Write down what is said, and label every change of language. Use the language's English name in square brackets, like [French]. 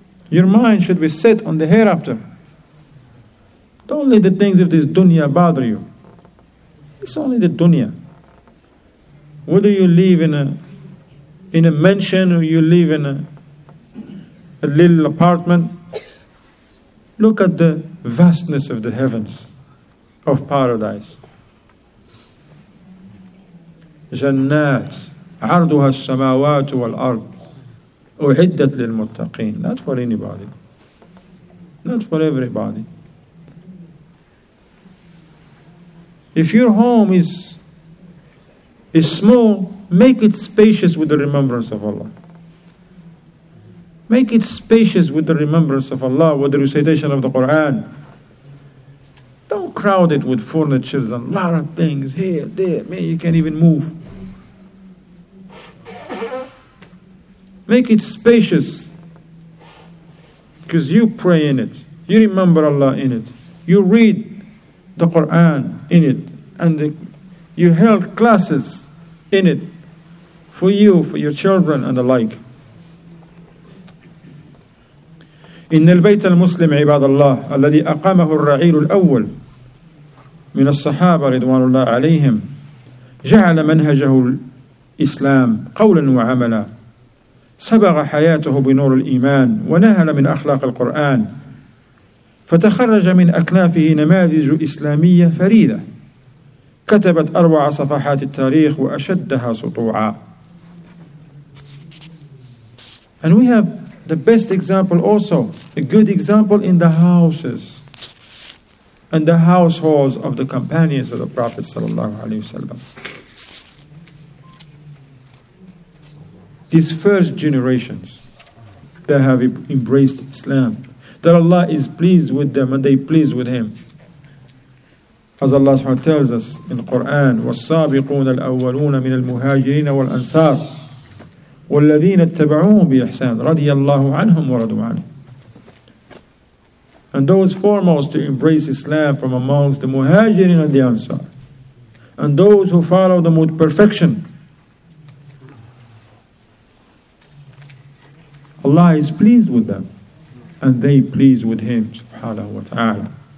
[English] Your mind should be set on the hereafter. Don't let the things of this dunya bother you. It's only the dunya. Whether you live in a mansion or you live in a little apartment, look at the vastness of the heavens, of paradise. [Arabic] جنات عرضها السماوات والأرض أعدت للمتقين. [English] Not for anybody. Not for everybody. If your home is small, make it spacious with the remembrance of Allah. Make it spacious with the remembrance of Allah, with the recitation of the Quran. Don't crowd it with furniture and a lot of things here, there. Man, you can't even move. Make it spacious. Because you pray in it. You remember Allah in it. You read the Quran in it. And you held classes in it. for you, for your children and the like. [Arabic] إن البيت المسلم عباد الله الذي أقامه الرعيل الأول من الصحابة رضوان الله عليهم جعل منهجه الإسلام قولا وعملا صبغ حياته بنور الإيمان ونهل من أخلاق القرآن فتخرج من أكنافه نماذج إسلامية فريدة كتبت أروع صفحات التاريخ وأشدها سطوعا. [English] And we have the best example also, a good example in the houses and the households of the companions of the Prophet sallallahu alaihi wasallam. These first generations that have embraced Islam, that Allah is pleased with them and they pleased with Him. As Allah subhanahu wa ta'ala tells us in Quran, [Arabic] وَالسَّابِقُونَ الْأَوَّلُونَ مِنَ الْمُهَاجِرِينَ وَالْأَنْصَارِ وَالَّذِينَ اتَّبَعُوهُمْ بِإِحْسَانٍ رَضِيَ اللَّهُ عَنْهُمْ وَرَضُوا عَنْهُ. [English] And those foremost to embrace Islam from amongst the Muhajirin and the Ansar, and those who follow them with perfection, Allah is pleased with them, and they pleased with Him, subhanahu wa ta'ala.